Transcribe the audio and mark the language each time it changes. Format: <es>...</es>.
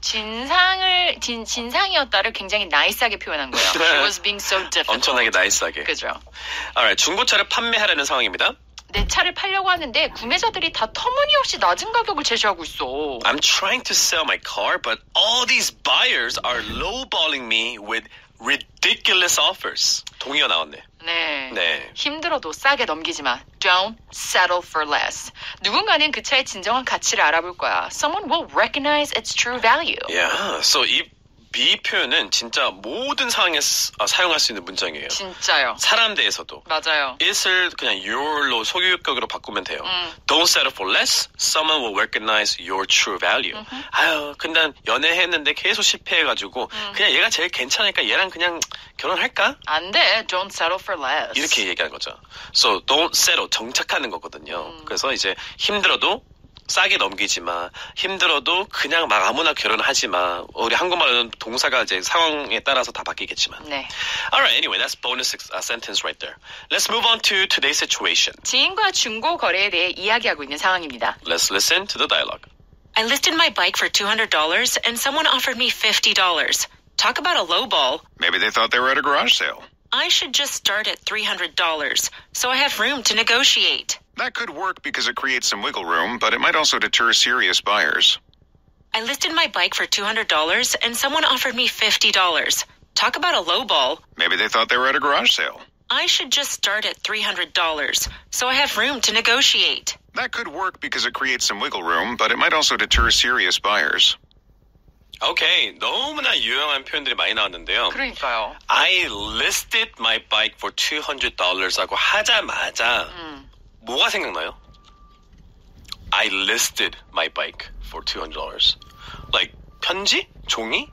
<ko>진상이었다를 굉장히 나이스하게 표현한 거예요.</ko> <en>She was being so difficult.</en> <ko>엄청나게 나이스하게. 그죠. Alright, 중고차를 판매하려는 상황입니다. 내 차를 팔려고 하는데 구매자들이 다 터무니없이 낮은 가격을 제시하고 있어.</ko> <en>I'm trying to sell my car, but all these buyers are lowballing me with ridiculous offers.</en> <ko>동의어 나왔네. 네. 네. 힘들어도 싸게 넘기지 마.</ko> <en>Don't settle for less.</en> <ko>누군가는 그 차의 진정한 가치를 알아볼 거야.</ko> <en>Someone will recognize its true value. Yeah.</en> <ko>So 이 B 표현은 진짜 모든 상황에 사용할 수 있는 문장이에요. 진짜요. 사람 대해서도. 맞아요. It을 그냥 your로 소유격으로 바꾸면 돼요. 응.</ko> <en>Don't settle for less. Someone will recognize your true value.</en> <ko>응. 아유, 근데 연애했는데 계속 실패해가지고 응. 그냥 얘가 제일 괜찮으니까 얘랑 그냥 결혼할까? 안 돼.</ko> <en>Don't settle for less.</en> <ko>이렇게 얘기한 거죠.</ko> <en>So don't settle.</en> <ko>정착하는 거거든요. 그래서 이제 힘들어도 싸게 넘기지 마. 힘들어도 그냥 막 아무나 결혼하지 마. 우리 한국말로는 동사가 이제 상황에 따라서 다 바뀌겠지만. 네.</ko> <en>Alright, anyway, that's bonus sentence right there. Let's move on to today's situation. 지인과 중고 거래에 대해 이야기하고 있는 상황입니다. Let's listen to the dialogue. I listed my bike for $200 and someone offered me $50. Talk about a low ball. Maybe they thought they were at a garage sale. I should just start at $300, so I have room to negotiate. That could work because it creates some wiggle room, but it might also deter serious buyers. I listed my bike for $200, and someone offered me $50. Talk about a lowball. Maybe they thought they were at a garage sale. I should just start at $300, so I have room to negotiate. That could work because it creates some wiggle room, but it might also deter serious buyers.</en> <ko>Okay, 너무나 유용한 표현들이 많이 나왔는데요. 그러니까요.</ko> <en>I listed my bike for $200</en> <ko>하고 하자마자 뭐가 생각나요?</ko> <en>I listed my bike for $200. Like</en> <ko>편지? 종이?</ko>